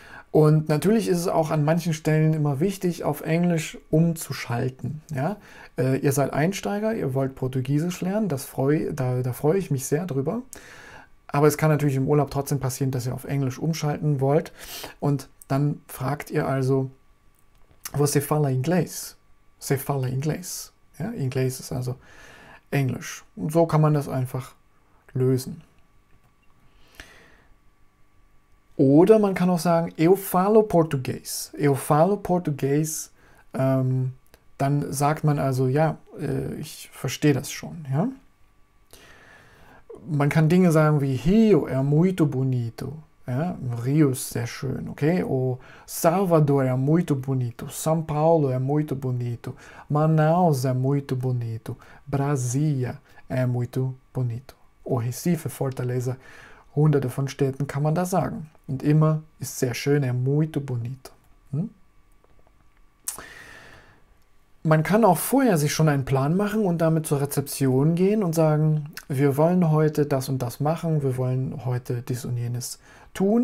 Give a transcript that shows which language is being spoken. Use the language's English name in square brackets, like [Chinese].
[German] Und natürlich ist es auch an manchen Stellen immer wichtig, auf Englisch umzuschalten. Ja? Ihr seid Einsteiger, ihr wollt Portugiesisch lernen, da freue ich mich sehr drüber. Aber es kann natürlich im Urlaub trotzdem passieren, dass ihr auf Englisch umschalten wollt. Und dann fragt ihr also, [Portuguese] Você fala inglês? Você fala inglês? [German] Ja, inglês ist also Englisch. Und so kann man das einfach lösen. Oder man kann auch sagen, [Portuguese] eu falo português. Eu falo português. [German] Dann sagt man also, ja, ich verstehe das schon. Ja? Man kann Dinge sagen wie [Portuguese] Rio é muito bonito. [German] Ja? Rio ist sehr schön. [Portuguese] Okay? O Salvador é muito bonito. São Paulo é muito bonito. Manaus é muito bonito. Brasília é muito bonito. O Recife, Fortaleza. [German] Hunderte von Städten kann man da sagen. Und immer ist sehr schön, [Portuguese] é muito bonito. [German] Man kann auch vorher sich schon einen Plan machen und damit zur Rezeption gehen und sagen, wir wollen heute das und das machen, wir wollen heute dies und jenes tun.